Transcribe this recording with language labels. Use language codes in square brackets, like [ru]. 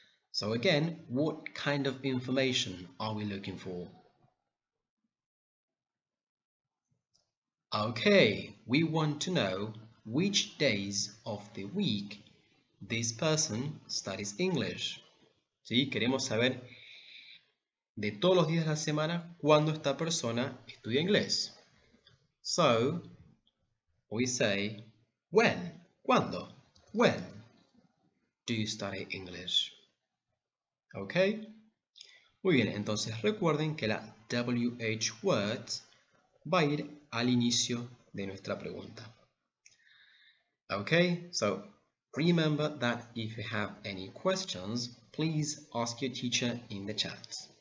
[en] So again, what kind of information are we looking for? Okay, we want to know which days of the week this person studies English. [es] Sí, queremos saber de todos los días de la semana cuando esta persona estudia inglés. [en] So, we say, when, cuando, when do you study English? Okay? [es] Muy bien, entonces recuerden que la WH word va a ir al inicio de nuestra pregunta. [en] Okay, so remember that if you have any questions, please ask your teacher in the chat.